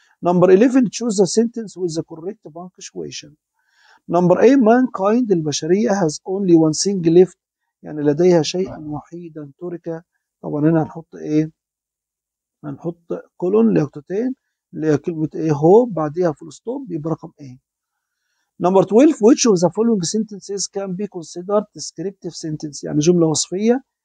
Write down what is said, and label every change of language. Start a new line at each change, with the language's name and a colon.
English: Number 11 choose a sentence with the correct punctuation. Number 8 mankind البشرية has only one thing left
Arabic: يعني لديها شيئا وحيدا ترك. طبعا هنا هنحط ايه هنحط كولون لنقطتين اللي هي كلمه ايه هو بعديها فول ستوب برقم ايه.
English: Number 12 which of the following sentences can be considered descriptive sentence
Arabic: يعني جمله وصفيه.